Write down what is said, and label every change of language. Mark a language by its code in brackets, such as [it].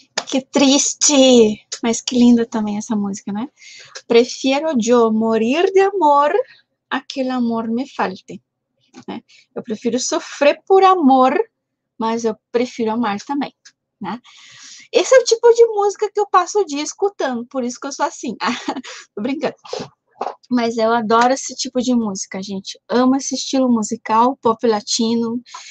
[pt] Que triste, mas que linda também essa música, né? [es] Prefiero yo morir de amor a que el amor me falte. [pt] Né? Eu prefiro sofrer por amor, mas eu prefiro amar também, né? Esse é o tipo de música que eu passo o dia escutando, por isso que eu sou assim. Tô brincando. Mas eu adoro esse tipo de música, gente. Amo esse estilo musical, pop latino.